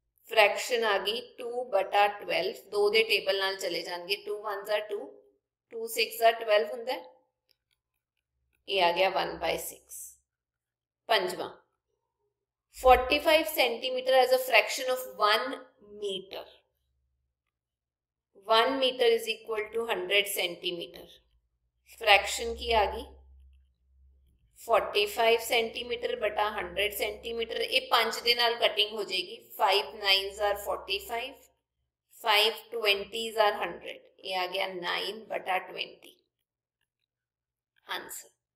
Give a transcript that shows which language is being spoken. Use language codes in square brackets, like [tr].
[pa] Fraction ਆ ਗਈ 2/12, 2 ਦੇ ਟੇਬਲ ਨਾਲ ਚਲੇ ਜਾਣਗੇ, [en] 2 1s are 2, 2 6s are 12 [pa] ਹੁੰਦਾ, ਇਹ ਆ ਗਿਆ 1/6। [en] ਪੰਜਵਾਂ 45 centimeter as a fraction of 1 meter। 1 meter is equal to 100 centimeter, [pa] fraction ਕੀ ਆ ਗਈ, 45 ਸੈਂਟੀਮੀਟਰ ਬਟਾ 100 ਸੈਂਟੀਮੀਟਰ, ਇਹ 5 ਦੇ ਨਾਲ ਕਟਿੰਗ ਹੋ ਜਾਏਗੀ। [en] 5 9s are 45, 5 20s are 100, [pa] ਇਹ ਆ ਗਿਆ 9 ਬਟਾ 20 ਆਨਸਰ।